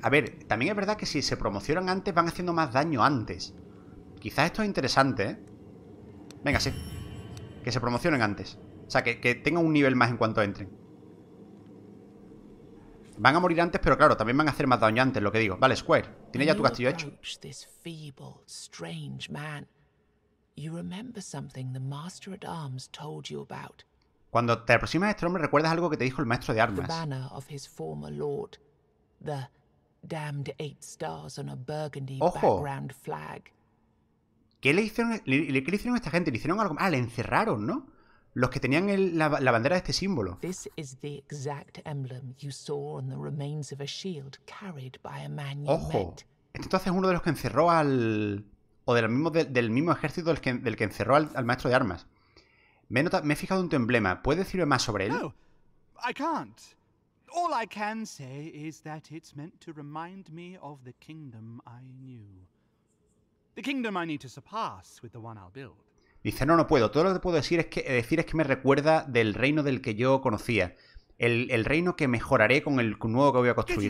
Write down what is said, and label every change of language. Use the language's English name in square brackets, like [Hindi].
[Spanish] A ver, también es verdad que si se promocionan antes van haciendo más daño antes. Quizás esto es interesante, ¿eh? Venga, sí. Que se promocionen antes. O sea, que tengan un nivel más en cuanto entren. Van a morir antes, pero claro, también van a hacer más daño antes, lo que digo. Vale, Square, tienes ya tu castillo hecho. [English] This feeble, strange man. You remember something the master at arms told you about. [Spanish] Cuando te aproximas a este hombre, recuerdas algo que te dijo el maestro de armas. [English] The banner of his former lord. The damned eight stars on a burgundy background flag. [Spanish] ¿Qué le hicieron, qué le hicieron a esta gente? Le hicieron algo. Ah, le encerraron, ¿no? Los que tenían la bandera de este símbolo. [English] This is the exact emblem you saw on the remains of a shield carried by a man you met. [Spanish] Entonces es uno de los que encerró al del mismo ejército del que encerró al maestro de armas. Me he fijado en tu emblema. ¿Puedes decirme más sobre él? [English] No, I can't. All I can say is that it's meant to remind me of the kingdom I knew. The kingdom I need to surpass with the one I'll build. [Spanish] Dice, no puedo. Todo lo que puedo decir es que me recuerda del reino del que yo conocía. El reino que mejoraré con el nuevo que voy a construir.